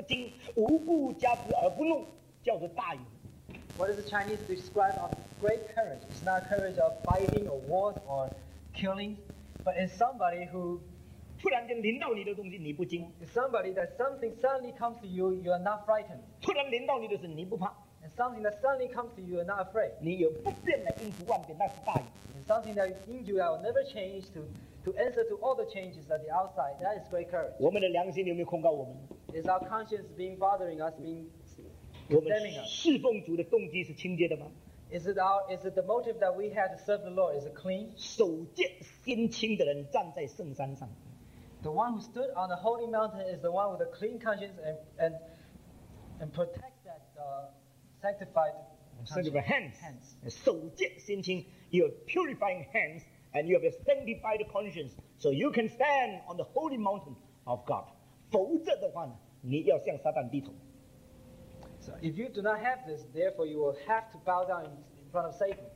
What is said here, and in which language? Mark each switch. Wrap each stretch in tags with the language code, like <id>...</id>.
<zh>中国的描写大勇啊，这个大的勇气是怎么样描写的？不是呢，是杀人的勇气，做将军领到大军的勇气。什么叫大勇呢？寸然凌之而不惊，无不加之而不怒，叫做大勇。</zh> <en>What does the Chinese describe of great courage? It's not courage of fighting or wars or killing, but it's somebody who</en> <zh>突然间临到你的东西，你不惊。</zh> <en>If somebody that something suddenly comes to you, you are not frightened.</en> <zh>突然临到你的时候，你不怕。</zh> <en>And something that suddenly comes to you, you are not afraid.</en> <zh>你有不变的应付万变，那是大勇。</zh> <en>And something that in you that will never change to answer to all the changes at the outside, that is great courage.</en> <zh>我们的良心有没有控告我们？</zh> <en>Is our conscience being bothering us, being condemning us?</en> <zh>我们侍奉主的动机是清洁的吗？</zh> <en>Is it the motive that we have to serve the Lord? Is it clean?</en> <zh>守戒心清的人站在圣山上。</zh> <en>The one who stood on the holy mountain is the one with a clean conscience and protect that sanctified conscience. Hands.</en> <zh>守戒心清,</zh> <en>you have purifying hands and you have a sanctified conscience so you can stand on the holy mountain of God.</en> <zh>否则的话呢，你要向撒旦低头。</zh> <en>So if you do not have this, therefore you will have to bow down in front of Satan.</en>